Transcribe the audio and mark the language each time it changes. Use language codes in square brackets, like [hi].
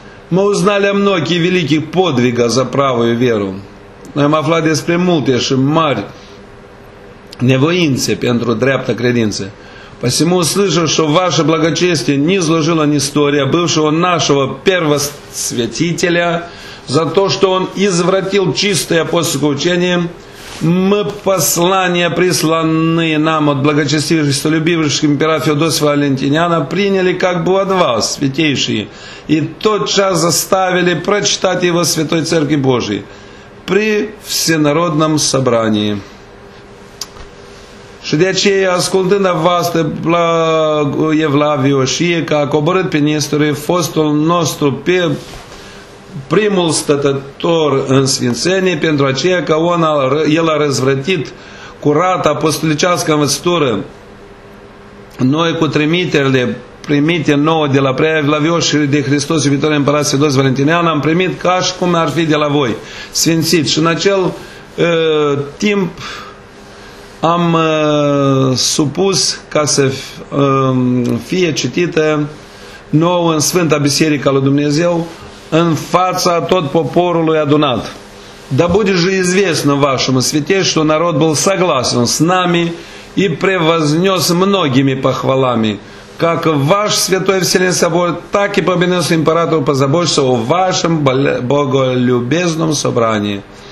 [ru] Мы узнали о многих великих подвигах за правую веру. [ro] Noi am aflat despre multe și mari nevoințe pentru dreaptă credință. [ru] Посему услышав, что ваше благочестие не изложило ни история бывшего нашего первосвятителя за то, что он извратил чистое апостольское учение, мы послания, присланные нам от благочестивых и столюбивших императора Феодосия Валентиниана, приняли как бы от вас, святейшие, и тотчас заставили прочитать его Святой Церкви Божией при всенародном собрании. [ro] Și de aceea, ascultând a voastră evlavioșie, că a coborât pe nisturi fostul nostru pe primul stătător în Sfințenie, pentru aceea că el a răzvrătit curata apostolicească învățătură, noi cu trimiterile primite nouă de la prea evlavioșii de Hristos, iubitorul împărat Sfântul Valentinian, am primit ca și cum ar fi de la voi, sfințit. Și în acel timp am supus ca să fie citită nouă în Sfânta Biserică lui Dumnezeu în fața tot poporului adunat. [ru] Да будет же известно вашему святейшеству, народ был согласен с нами и превознес многими похвалами, как ваш святой Вселенский Собор, так и победоносный император позаботился о вашем боголюбезном собрании.